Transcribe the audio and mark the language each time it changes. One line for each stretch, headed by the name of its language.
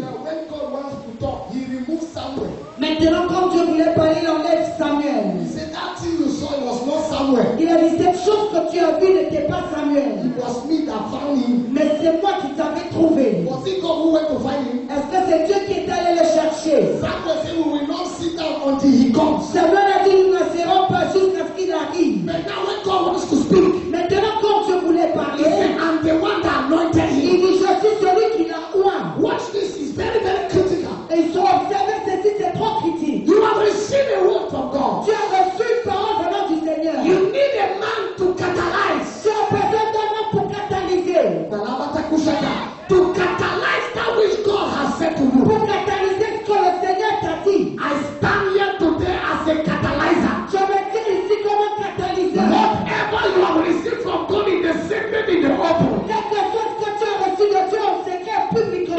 English: Now when God wants to talk, he removes Samuel.
French: Maintenant, quand Dieu voulait parler, il enlève Samuel.
English: He said that thing you saw was not Samuel.
French: Il a dit cette chose que tu as vue n'était pas Samuel.
English: It was me that found him.
French: Mais c'est moi qui t'avais trouvé.
English: Was it God who went to find him?
French: Est-ce que c'est Dieu qui est allé le chercher?
English: Samuel said we will not sit down until he comes.
French: Samuel a dit nous n'asseyons pas jusqu'à ce qu'il arrive.
English: Maintenant, when God wants to speak,
French: maintenant quand Dieu voulait parler,
English: he said I'm the one that anointed him.
French: Il dit je suis celui qui l'a oint.
English: Watch this, it's very very critical.
French: Et ils sont observés.
English: You have received a word from God.
French: Tu as reçu une parole de notre Seigneur.
English: You need a man to catalyze.
French: Tu as besoin d'un homme pour catalyser.
English: To catalyze that which God has said to you.
French: Pour catalyser ce que le Seigneur t'a dit.
English: I stand here today as a catalyzer.
French: Je me tiens ici comme un catalyseur.
English: Whatever you have received from God in the secret, in the open.
French: Quelque chose que tu as reçu de Dieu en secret publiquement.